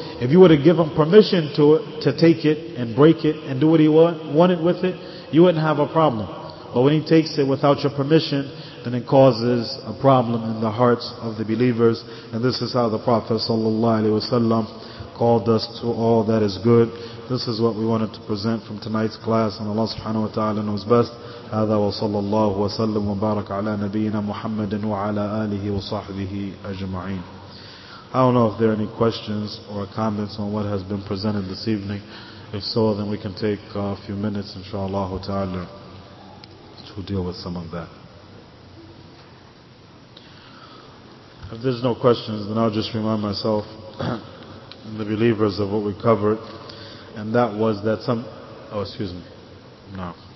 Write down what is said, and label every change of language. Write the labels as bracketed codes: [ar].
[en] If you were to give him permission to take it and break it and do what he wanted with it, you wouldn't have a problem. But when he takes it without your permission, then it causes a problem in the hearts of the believers. And this is how the Prophet sallallahu alaihi wasallam called us to all that is good. This is what we wanted to present from tonight's class, and Allah subhanahu wa ta'ala knows best. [ar] هذا وصلى الله وسلم وبارك على نبينا محمد وعلى آله وصحبه أجمعين. [en] I don't know if there are any questions or comments on what has been presented this evening. If so, then we can take a few minutes, inshallah ta'ala, to deal with some of that. If there's no questions, then I'll just remind myself and the believers of what we covered, and that was that some... Oh, excuse me. No.